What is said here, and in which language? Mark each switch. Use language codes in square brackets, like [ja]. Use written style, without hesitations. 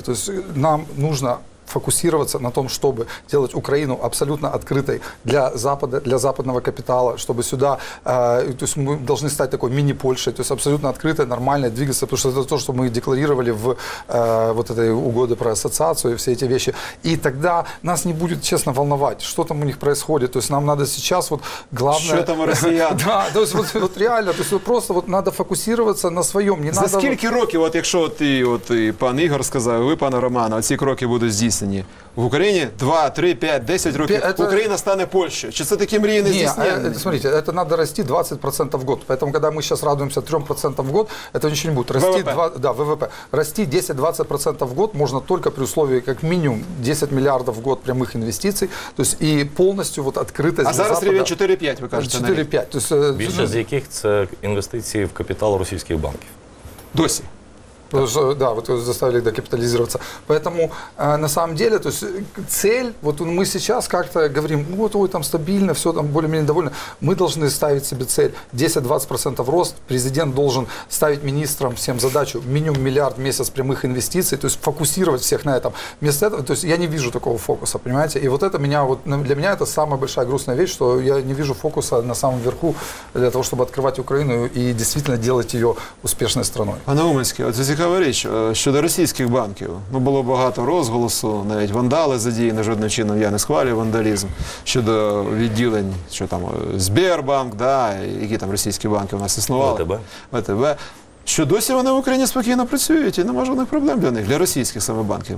[ru] То есть нам нужно фокусироваться на том, чтобы делать Украину абсолютно открытой для Запада, для западного капитала, чтобы сюда, то есть мы должны стать такой мини-Польшей, то есть абсолютно открытой, нормальной, двигаться, потому что это то, что мы декларировали в вот этой угоде про ассоциацию и все эти вещи. И тогда нас не будет, честно, волновать, что там у них происходит. То есть нам надо сейчас вот главное... Что там у россиян? Да, то есть вот реально, то есть просто вот надо фокусироваться на своем. [uk] За скільки років, от якщо ти, от і пан Ігор сказав, ви, пане Романе, оці кроки будуть здійснені? [ru] В Украине 2, 3, 5, 10 років это... Украина станет Польщей. [uk] Чи це такі мрії не здійснені? [ru] Смотрите, это надо расти 20% в год. Поэтому, когда мы сейчас радуемся 3% в год, это ничего не будет. Расти ВВП. 2, да, ВВП. Расти 10-20% в год можно только при условии как минимум 10 миллиардов в год прямых инвестиций. То есть и полностью вот открытость. [uk] А сейчас рівень 4-5, вы кажете? [ru] 4-5. То [uk] есть, більше з яких це інвестиції в капітал російських банків? Досі. [ru] Потому что, да, вот заставили их докапитализироваться. Поэтому, на самом деле, то есть цель, вот мы сейчас как-то говорим, вот, ой, там стабильно, все там более-менее довольны. Мы должны ставить себе цель 10-20% рост. Президент должен ставить министрам всем задачу минимум миллиард в месяц прямых инвестиций, то есть фокусировать всех на этом. Вместо этого, то есть я не вижу такого фокуса, понимаете? И вот это меня, вот для меня это самая большая грустная вещь, что я не вижу фокуса на самом верху для того, чтобы открывать Украину и действительно делать ее успешной страной. [uk] А на Уманске, вот здесь цікава річ щодо російських банків. Ну, було багато розголосу, навіть вандали задіяні, жодним чином я не схвалюю вандалізм щодо відділень, що там Сбербанк, да, які там російські банки у нас існували. ВТБ. Що досі вони в Україні спокійно працюють, і немає жодних проблем для них, для російських саме банків.